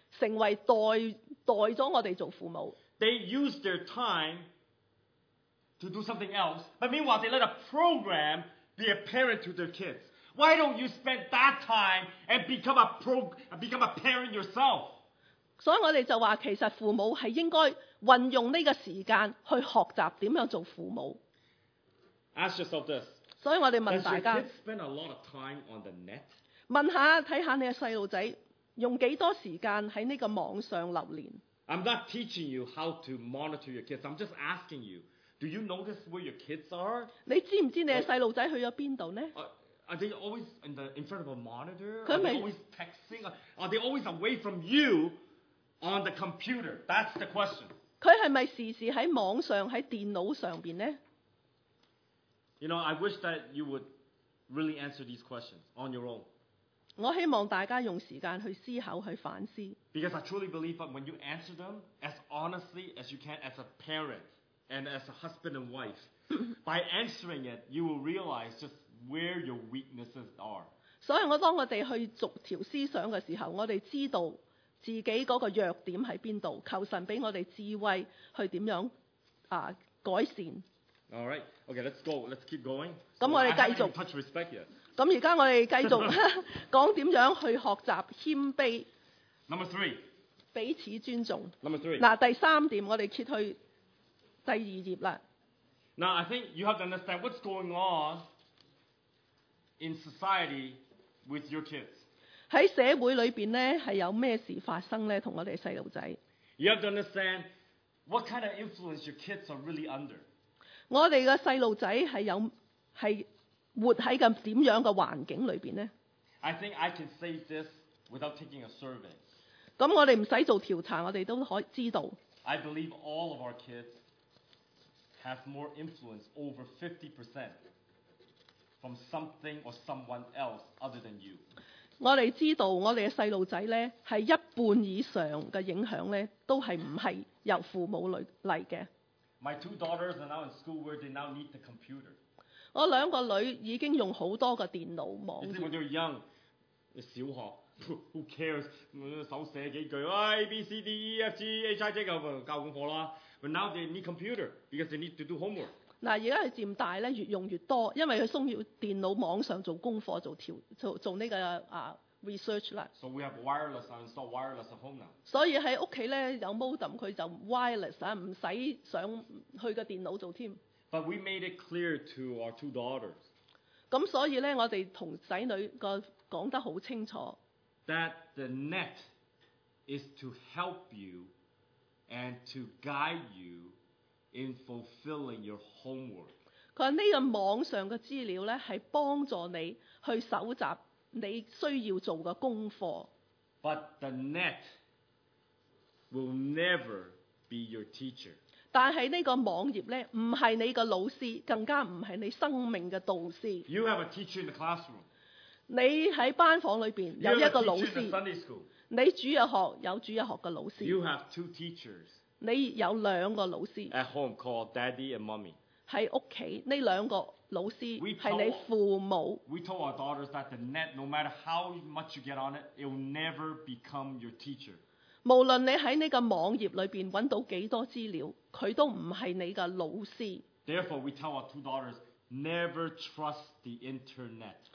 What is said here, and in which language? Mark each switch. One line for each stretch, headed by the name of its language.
Cantonese: 成為代咗我哋做父母。
English: They use their time to do something else, but meanwhile they let a program be a parent to their kids. Why don't you spend that time and become a parent yourself?
Cantonese: 所以我哋就話其實父母係應該運用呢個時間去學習點樣做父母。
English: Ask yourself this.
Cantonese: 所以我哋問大家。
English: Does your kid spend a lot of time on the net?
Cantonese: 問下睇下你嘅細路仔。用幾多時間喺呢個網上流連
English: ？I'm not teaching you how to monitor your kids. I'm just asking you, do you notice where your kids are？
Cantonese: 你知唔知你嘅細路仔去咗邊度咧
English: ？Are they always in front of a monitor？ Are they always texting？ Are they always away from you on the computer？ That's the question。
Cantonese: 佢係咪時時喺網上喺電腦上邊咧
English: ？You know, I wish that you would really answer these questions on your own。
Cantonese: 我希望大家用時間去思考去反思。
English: Because I truly believe that when you answer them as honestly as you can as a parent and as a husband and wife, by answering it, you will realize just where your weaknesses are.
Cantonese: 所以我當我哋去逐條思想嘅時候，我哋知道自己嗰個弱點喺邊度，求神俾我哋智慧去點樣啊改善。
English: All right, okay, let's go. Let's keep going.
Cantonese: 咁我哋繼續。
English: Touch respect yet.
Cantonese: 咁而家我哋繼續講點樣去學習謙卑。
English: Number three，
Cantonese: 彼此尊重。
English: Number three，
Cantonese: 嗱第三點我哋揭去第二頁啦。
English: Now I think you have to understand what's going on in society with your kids。
Cantonese: 喺社會裏邊咧係有咩事發生咧？同我哋細路仔。
English: You have to understand what kind of influence your kids are really under。
Cantonese: 我哋嘅細路仔係有係。活喺咁點樣嘅環境裏邊咧
English: ？I think I can say this without taking a survey。
Cantonese: 咁我哋唔使做調查，我哋都可以知道。
English: I believe all of our kids have more influence over 50% from something or someone else other than you。
Cantonese: 我哋知道我哋嘅細路仔咧，係一半以上嘅影響咧，都係唔係由父母嚟嘅。
English: My two daughters are now in school where they now need the computer。
Cantonese: 我兩個女兒已經用好多個電腦網頁。
English: You see, when they're young, 小學 ，who cares？
Cantonese: 手寫幾句 ，I B C D E F G H I J 咁教功課啦。
English: But now they need computer because they need to do homework。
Cantonese: 嗱，而家佢漸大咧，越用越多，因為佢需要電腦網上做功課、做調、做呢個啊 research 啦。
English: So we have wireless. I install wireless at home now.
Cantonese: 所以喺屋企咧有 modem， 佢就 wireless 啊，唔使上去個電腦做添。
English: But we made it clear to our two daughters.
Cantonese: 咁所以咧，我哋同仔女個講得好清楚。
English: That the net is to help you and to guide you in fulfilling your homework.
Cantonese: 佢話呢個網上嘅資料咧，係幫助你去搜集你需要做嘅功課。
English: But the net will never be your teacher.
Cantonese: 但係呢個網頁咧，唔係你嘅老師，更加唔係你生命嘅導師。
English: You have a teacher in the classroom.
Cantonese: 你喺班房裏邊有一個老師。
English: You have a teacher in Sunday school.
Cantonese: 你主日學有主日學嘅老師。
English: You have two teachers.
Cantonese: 你有兩個老師。
English: At home called daddy and mommy.
Cantonese: 在屋企呢兩個老師係你父母。
English: We told our daughters that the net, no matter how much you get on it, it will never become your teacher.
Cantonese: 無論你喺呢個網頁裏邊揾到幾多資料，佢都唔係你嘅老師。
English: Therefore, we tell our two daughters never trust the internet.